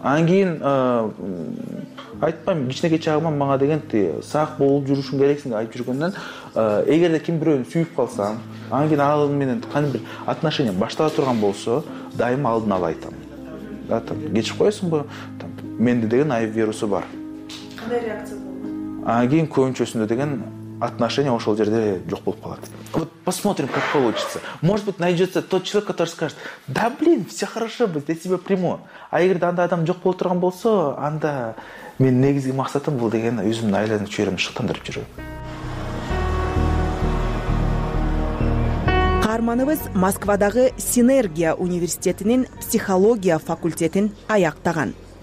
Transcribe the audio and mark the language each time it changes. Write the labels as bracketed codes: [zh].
[ky] Анан кийин айтпайм, кичинеке чагыма мага деген тиги сак болуп жүрүшүң керексиң деп айтып жүргөндөн, эгерде ким бирөөнү сүйүп калсам, анан кийин ал менен кандай бир отношение баштала турган болсо, дайым алдын ала айтам. Да, там кечип коесуңбу? Там менде деген АИФ вирусу бар. Кандай реакция болгон? Анан кийин көбүнчөсүндө деген отношения ошол жерде жок болуп калат. [ru] Вот посмотрим, как получится. Может быть, найдется тот человек, который скажет: да блин, все хорошо, я тебя приму. [ky] А эгерде андай адам жок боло турган болсо, анда менин негизги максатым бул деген өзүмдүн айылдын чөйрөмдү шыктандырып жүрүү. Арманыбыз Москвадагы Синергия университетинин психология факультетин аяктаган.